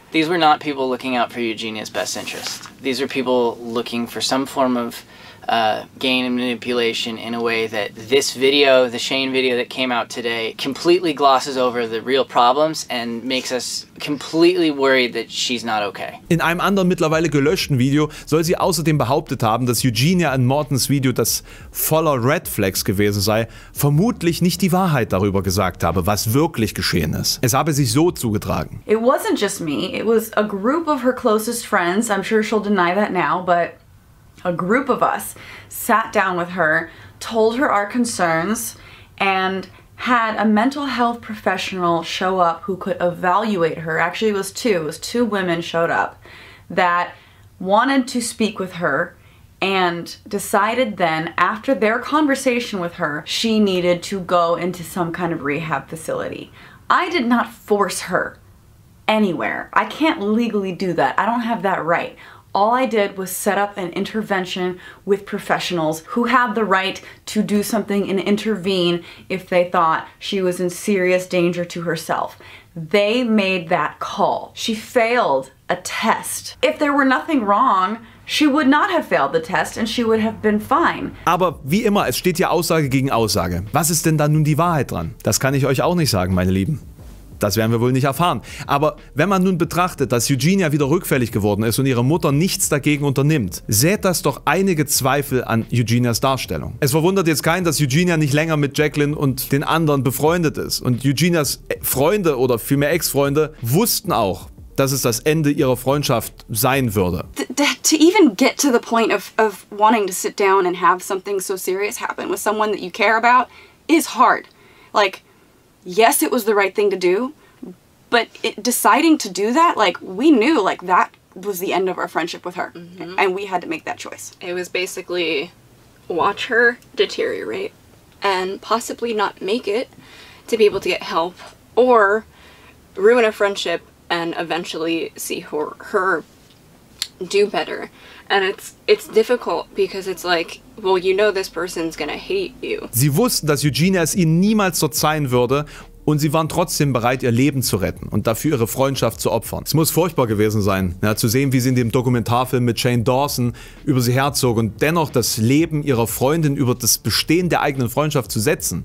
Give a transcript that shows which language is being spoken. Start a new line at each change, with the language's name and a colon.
English: These were not people looking out for Eugenia's best interest. These are people looking for some form of gain and manipulation in a way that this video, the Shane video that came out today, completely glosses over the real problems and makes us completely worried that she's not okay.
German: In einem anderen mittlerweile gelöschten Video soll sie außerdem behauptet haben, dass Eugenia in Mortons Video, das voller Red Flags gewesen sei, vermutlich nicht die Wahrheit darüber gesagt habe, was wirklich geschehen ist. Es habe sich so zugetragen.
English: It wasn't just me, it was a group of her closest friends. I'm sure she'll deny that now, but a group of us sat down with her, told her our concerns, and had a mental health professional show up who could evaluate her. Actually, it was two women showed up that wanted to speak with her and decided then, after their conversation with her, she needed to go into some kind of rehab facility. I did not force her anywhere. I can't legally do that. I don't have that right. All I did was set up an intervention with professionals who have the right to do something and intervene if they thought she was in serious danger to herself. They made that call. She failed a test. If there were nothing wrong, she would not have failed the test and she would have been fine.
German: Aber wie immer, es steht ja Aussage gegen Aussage. Was ist denn da nun die Wahrheit dran? Das kann ich euch auch nicht sagen, meine Lieben. Das werden wir wohl nicht erfahren. Aber wenn man nun betrachtet, dass Eugenia wieder rückfällig geworden ist und ihre Mutter nichts dagegen unternimmt, sät das doch einige Zweifel an Eugenias Darstellung. Es verwundert jetzt keinen, dass Eugenia nicht länger mit Jacqueline und den anderen befreundet ist. Und Eugenias Freunde oder vielmehr Ex-Freunde wussten auch, dass es das Ende ihrer Freundschaft sein würde.
English: To even get to the point of wanting to sit down and have something so serious happen with someone that you care about is hard. Like, yes, it was the right thing to do, but deciding to do that, like, we knew, like, that was the end of our friendship with her. Mm-hmm. And we had to make that choice. It was basically watch her deteriorate and possibly not make it to be able to get help or ruin a friendship and eventually see her do better. And it's difficult because it's like, well, you know this person's gonna hate you.
German: Sie wussten, dass Eugenia es ihnen niemals verzeihen würde und sie waren trotzdem bereit, ihr Leben zu retten und dafür ihre Freundschaft zu opfern. Es muss furchtbar gewesen sein, ja, zu sehen, wie sie in dem Dokumentarfilm mit Shane Dawson über sie herzog und dennoch das Leben ihrer Freundin über das Bestehen der eigenen Freundschaft zu setzen.